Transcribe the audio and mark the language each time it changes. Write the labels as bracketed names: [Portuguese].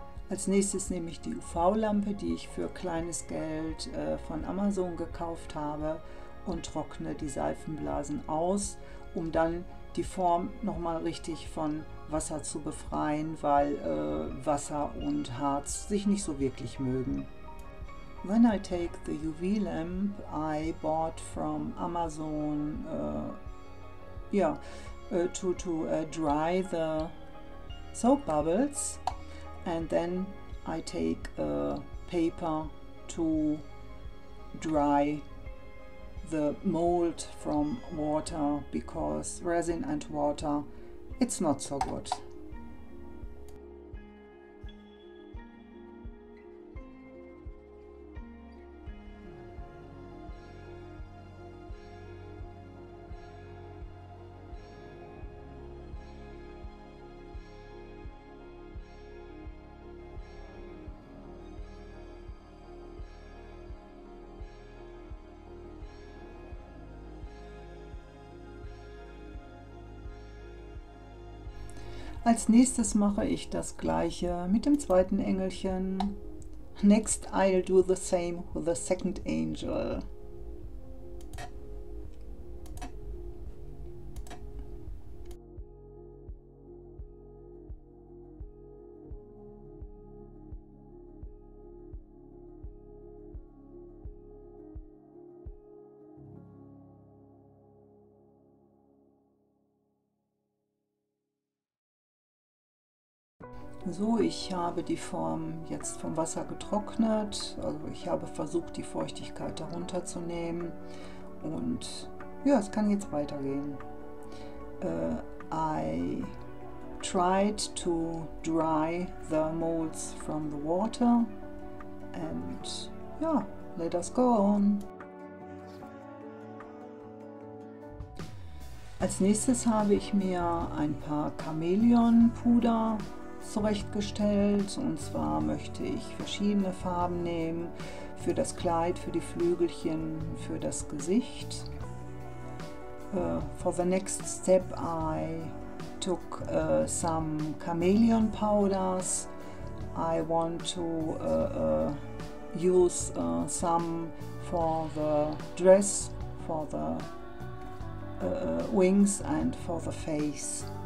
[German] Als nächstes nehme ich die UV-Lampe, die ich für kleines Geld von Amazon gekauft habe, und trockne die Seifenblasen aus, um dann die Form nochmal richtig von Wasser zu befreien, weil Wasser und Harz sich nicht so wirklich mögen. [English] When I take the UV lamp I bought from Amazon to dry the soap bubbles, and then I take a paper to dry the mold from water, because resin and water, it's not so good. [German] Als nächstes mache ich das gleiche mit dem zweiten Engelchen. [English] Next I'll do the same with the second angel. [German] So, ich habe die Form jetzt vom Wasser getrocknet, also ich habe versucht, die Feuchtigkeit darunter zu nehmen, und ja, es kann jetzt weitergehen. [English] I tried to dry the molds from the water, and ja, let us go on. [German] Als nächstes habe ich mir ein paar Chamäleon-Puder zurechtgestellt, und zwar möchte ich verschiedene Farben nehmen für das Kleid, für die Flügelchen, für das Gesicht. [English] For the next step I took some chameleon powders. I want to use some for the dress, for the wings and for the face.